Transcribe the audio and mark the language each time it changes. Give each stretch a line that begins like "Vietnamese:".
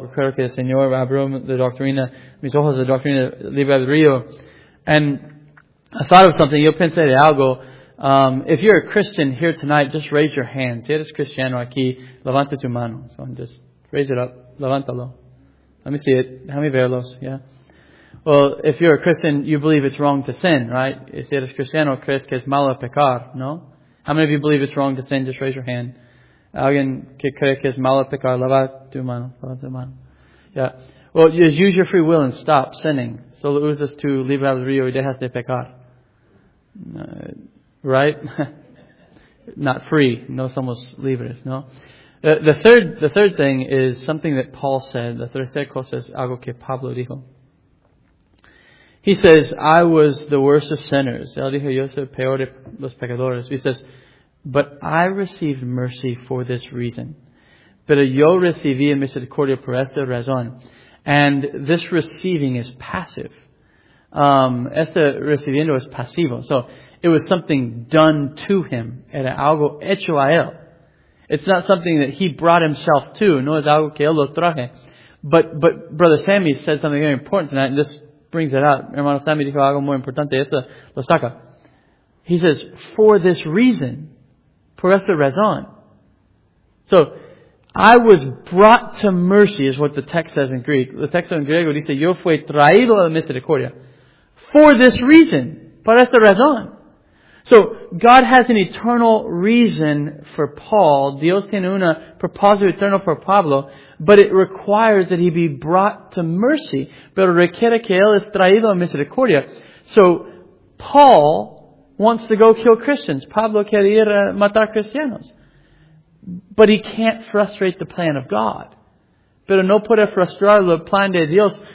Spanish: Recuerdo que el Señor abrió la doctrina, mis ojos la doctrina libre del río.
English: And I thought of something.
Spanish: Yo pensé de algo.
English: If you're a Christian here tonight, just raise your hand.
Spanish: Si eres cristiano aquí, levanta tu mano.
English: So just raise it up.
Spanish: Levántalo.
English: Let me see it.
Spanish: Déjame verlos.
English: Yeah. Well, if you're a Christian, you believe it's wrong to sin, right?
Spanish: Si eres cristiano, crees que es malo pecar, no?
English: How many of you believe it's wrong to sin? Just raise your hand.
Spanish: Alguien que cree que es malo pecar, levanta tu mano.
English: Yeah. Well, just use your free will and stop sinning.
Spanish: Solo usas tu libre albedrío y dejas de pecar.
English: Right? Not free.
Spanish: No somos libres, no?
English: The third thing is something that Paul said.
Spanish: La tercera cosa es algo que Pablo dijo.
English: He says, I was the worst of sinners.
Spanish: Él dijo, yo soy peor de los pecadores.
English: He says, but I received mercy for this reason.
Spanish: Pero yo recibí misericordia por esta razón.
English: And this receiving is passive.
Spanish: Este recibiendo es pasivo.
English: So, it was something done to him.
Spanish: Era algo hecho a él.
English: It's not something that he brought himself to.
Spanish: No es algo que él lo traje.
English: But Brother Sammy said something very important tonight, and this brings it out.
Spanish: Hermano Sammy dijo algo muy importante. Eso lo saca.
English: He says, for this reason,
Spanish: por esta razón.
English: So, I was brought to mercy is what the text says in Greek. The text in
Spanish: griego dice, yo fui traído a la misericordia.
English: For this reason,
Spanish: por esta razón.
English: So, God has an eternal reason for Paul.
Spanish: Dios tiene una propósito eterno for Pablo.
English: But it requires that he be brought to mercy.
Spanish: Pero requiere que él es traído a misericordia.
English: So, Paul wants to go kill Christians.
Spanish: Pablo quiere ir a matar cristianos.
English: But he can't frustrate the plan of God.
Spanish: Pero no puede frustrar el plan de Dios.